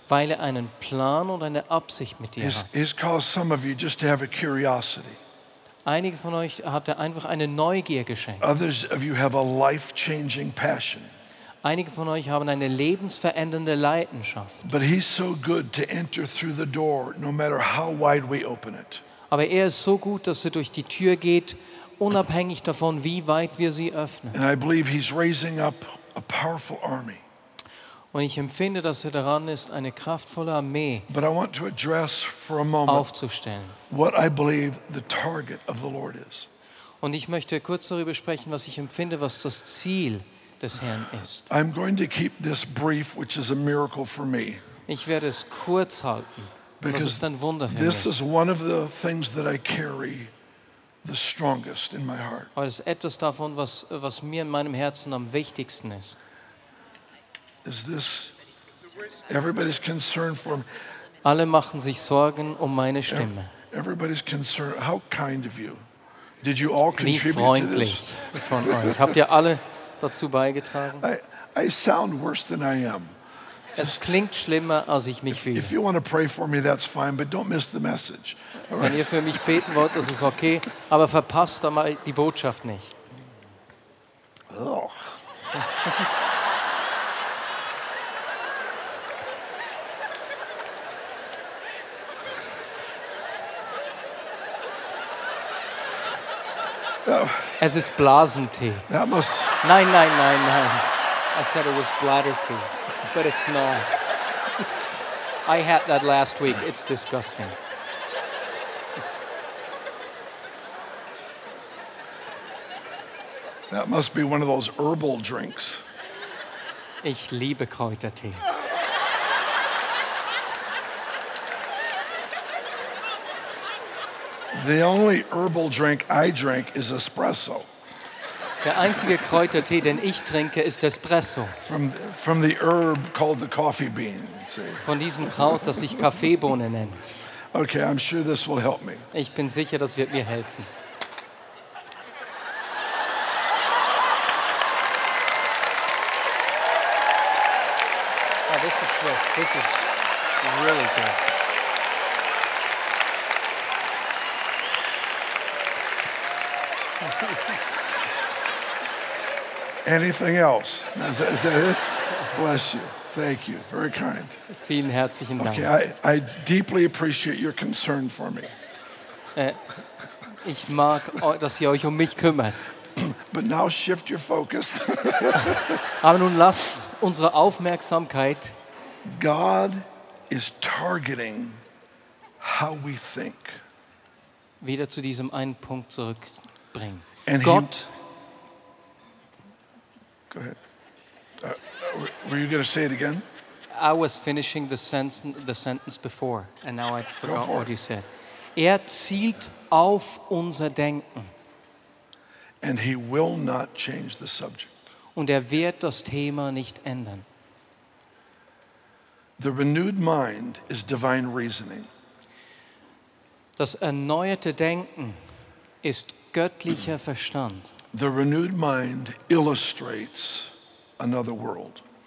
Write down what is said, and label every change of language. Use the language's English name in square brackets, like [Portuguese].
[German] Weil er einen Plan und eine Absicht mit dir hat. [English] He's caused some of you just to have a curiosity. [German] Einige von euch hat er einfach eine Neugier geschenkt. [English] Others of you have a life-changing passion. [German] Einige von euch haben eine lebensverändernde Leidenschaft. [English] But he's so good to enter through the door, no matter how wide we open it. [German] Aber er ist so gut, dass er durch die Tür geht, unabhängig davon, wie weit wir sie öffnen. [English] And I believe he's raising up a powerful army. [German] Und ich empfinde, dass er daran ist, eine kraftvolle Armee [English] But I want to address for a moment [German] aufzustellen. [English] What I believe the target of the Lord is. [German] Und ich möchte kurz darüber sprechen, was ich empfinde, was das Ziel des Herrn ist. [English] I'm going to keep this brief, which is a miracle for me. [German] Ich werde es kurz halten. Das ist ein Wunder für mich. [English] This is one of the things that I carry the strongest in my heart. [German] Aber es ist etwas davon, was mir in meinem Herzen am wichtigsten ist. [English] Is this everybody's concern for me? [German] Alle machen sich Sorgen um meine Stimme. [English] Everybody's concern. How kind of you! Did you all contribute to this? [German] Wie freundlich von euch. Habt ihr alle dazu beigetragen? [English] I sound worse than I am. [German] Es klingt schlimmer, als ich mich fühle. [English] If you want to pray for me, that's fine, but don't miss the message. Right. [German] Wenn ihr für mich beten wollt, das ist okay, aber verpasst einmal die Botschaft nicht. [English] Oh. [German] Es ist Blasentee. [English] That must... [German] Nein, nein, nein, nein. [English] I said it was bladder tea, but it's not. I had that last week. It's disgusting. That must be one of those herbal drinks. [German] Ich liebe Kräutertee. [English] The only herbal drink I drink is espresso. [German] Der einzige Kräutertee, den ich trinke, ist Espresso. [English] From the herb called the coffee bean. See. [German] Von diesem Kraut, das sich Kaffeebohne nennt. [English] Okay, I'm sure this will help me. [German] Ich bin sicher, das wird mir helfen. [English] Oh, this is Swiss. This is really good. Anything else? Is that it? Bless you. Thank you. Very kind. [German] Vielen herzlichen Dank. [English] Okay, I deeply appreciate your concern for me. [German] Ich mag, dass ihr euch um mich kümmert. [English] But now shift your focus. [German] Aber nun lasst unsere Aufmerksamkeit. [English] God is targeting how we think. [German] Wieder zu diesem einen Punkt zurückbringen. [English] And Gott. Go ahead. Were you going to say it again? I was finishing the sentence before, and now I forgot for what it. You said. [German] Er zielt auf unser Denken. [English] And he will not change the subject. [German] Und wird das Thema nicht ändern. [English] The renewed mind is divine reasoning. [German] Das erneuerte Denken ist göttlicher Verstand. [English] The renewed mind illustrates another world.